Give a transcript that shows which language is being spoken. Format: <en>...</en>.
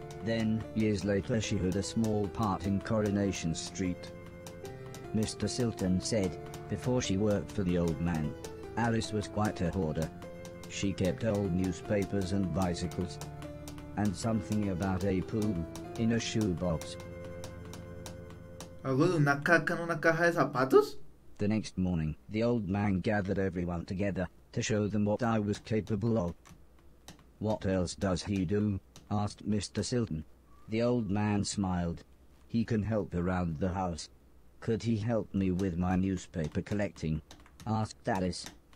<en>Then, years later, she had a small part in Coronation Street. Mr. Silton said, before she worked for the old man, Alice was quite a hoarder. She kept old newspapers and bicycles. And something about a poo in a shoebox.</en> <es>¿Algo de una caca en una caja de zapatos?</es> <en>The next morning, the old man gathered everyone together to show them what I was capable of. What else does he do? Asked Mr. Silton. The old man smiled. He can help around the house. Could he help me with my newspaper collecting? Asked Alice.</en>